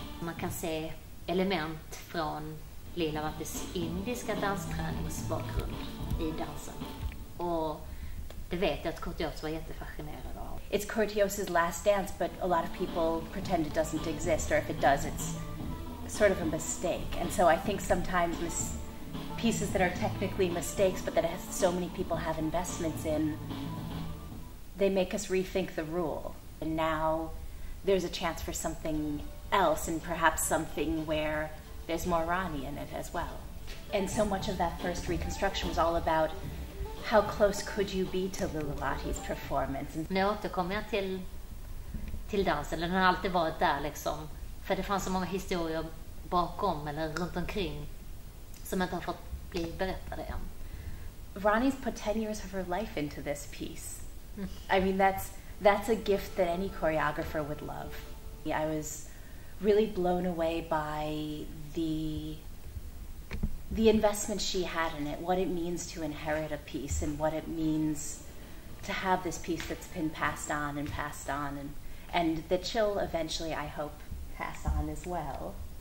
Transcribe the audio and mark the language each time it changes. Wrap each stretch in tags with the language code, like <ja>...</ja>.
<sv>Man kan se element från Lilavatis indiska dansträningsbakgrund i dansen. Och det vet jag att Kurt Jooss var jättefascinerad av.</sv> <en>It's Kurt Jooss's last dance, but a lot of people pretend it doesn't exist, or if it does, it's sort of a mistake. And so I think sometimes pieces that are technically mistakes, but that has so many people have investments in, they make us rethink the rule. And now there's a chance for something else, and perhaps something where there's more Rani in it as well. And so much of that first reconstruction was all about how close could you be to Lilavati's performance.</en> <sv>Nu återkommer jag till dansen, den har alltid varit där liksom. För det fanns så många historier bakom eller runt omkring som inte har fått bli berättade än.</sv> <en>Rani's put 10 years of her life into this piece. I mean, that's a gift that any choreographer would love. Yeah, I was really blown away by the investment she had in it, what it means to inherit a piece and what it means to have this piece that's been passed on and passed on and that she'll eventually, I hope, pass on as well.</en>